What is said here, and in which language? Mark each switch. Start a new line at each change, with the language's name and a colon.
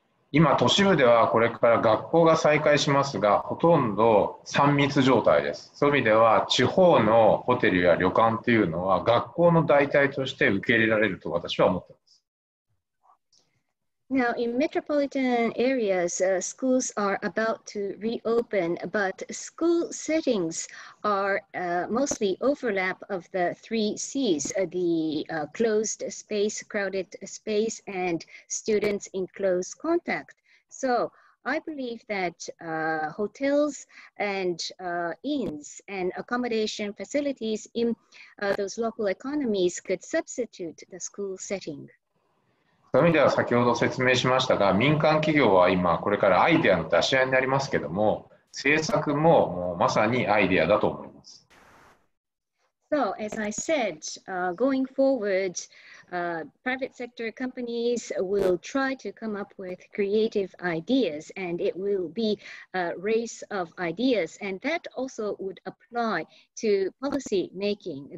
Japanese: 今、都市部ではこれから学校が再開しますが、ほとんど3密状態です。そういう意味では、地方のホテルや旅館というのは、学校の代替として受け入れられると私は思っています。
English: Now, in metropolitan areas, schools are about to reopen, but school settings are mostly overlap of the three C's, the closed space, crowded space, and students in close contact. So, I believe that hotels and inns and accommodation facilities in those local economies could substitute the school setting.
Japanese: そういう意味では先ほど説明しましたが、民間企業は今これからアイデアの出し合いになりますけども、政策 もうまさにアイデアだと思います。
English: So, as I said, going forward, private sector companies will try to come up with creative ideas, and it will be a race of ideas, and that also would apply to policy making.